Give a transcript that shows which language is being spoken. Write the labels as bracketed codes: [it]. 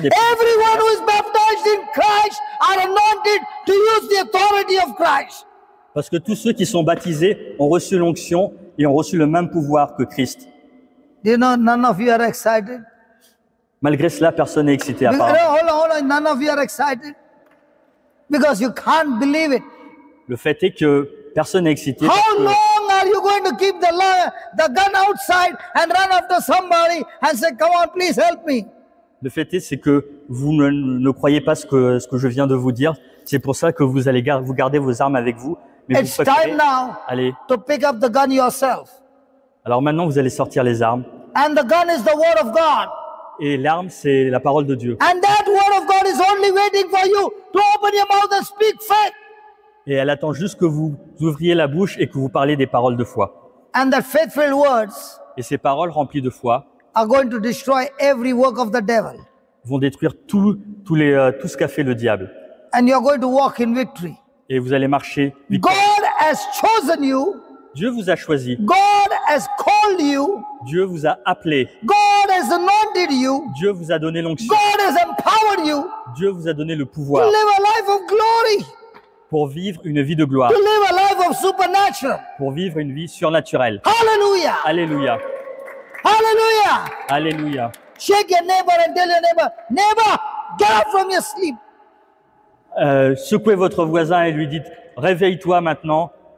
[en] Everyone who is baptized in Christ are anointed to use the authority of Christ. [fr] Parce que tous ceux qui sont baptisés ont reçu l'onction et ont reçu le même pouvoir que Christ. [en] You know, none of you are excited. [fr] Malgré cela, personne n'est excité à part. [en] Hold on. None of you are excited because you can't believe it. [fr] Le fait est que personne n'est excité. [en] How long are you going to keep the gun outside and run after somebody and say, come on, please help me? [fr] Le fait est, c'est que vous ne croyez pas ce que je viens de vous dire. C'est pour ça que vous gardez vos armes avec vous. Mais [en] it's time now to pick up the gun yourself. [fr] Alors maintenant, vous allez sortir les armes. [en] And the gun is the word of God. [fr] Et l'arme, c'est la parole de Dieu. [en] And that word of God is only waiting for you to open your mouth and speak faith. [fr] Et elle attend juste que vous ouvriez la bouche et que vous parliez des paroles de foi. [en] And the faithful words. [fr] Et ces paroles remplies de foi. [en] Are going to destroy every work of the devil. [fr] Vont détruire tout ce qu'a fait le diable. [en] And you're going to walk in victory. [fr] Et vous allez marcher victorieux. [en] God has chosen you. [fr] Dieu vous a choisi. [en] God has called you. [fr] Dieu vous a appelé. [en] God has anointed you. [fr] Dieu vous a donné l'onction. [en] God has empowered you. [fr] Dieu vous a donné le pouvoir. [en] To live a life of glory. [fr] Pour vivre une vie de gloire. [en] To live a life of supernatural. [fr] Pour vivre une vie surnaturelle. [en] Hallelujah. [fr] Alléluia. [en] Hallelujah. [fr] Alléluia. [en] Shake your neighbor and tell your neighbor, neighbor, get up from your sleep. [fr] Secouez votre voisin et lui dites, réveille-toi maintenant.